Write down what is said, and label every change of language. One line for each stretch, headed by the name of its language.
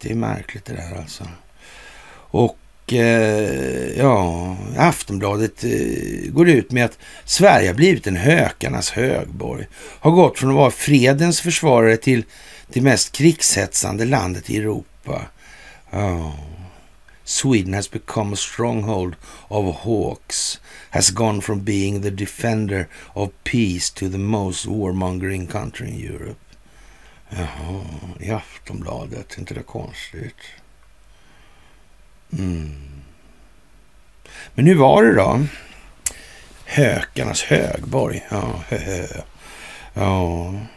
Swedish: Det är märkligt det där alltså. Och ja. Aftonbladet går ut med att Sverige har blivit en hökarnas högborg. Har gått från att vara fredens försvarare till det mest krigshetsande landet i Europa. Ja.
English: Sweden has become a stronghold of hawks, has gone from being the defender of peace to the most warmongering country in Europe.
Swedish: Jaha, i Aftonbladet, inte det konstigt? Men hur var det då? Hökarnas högborg, ja, ja.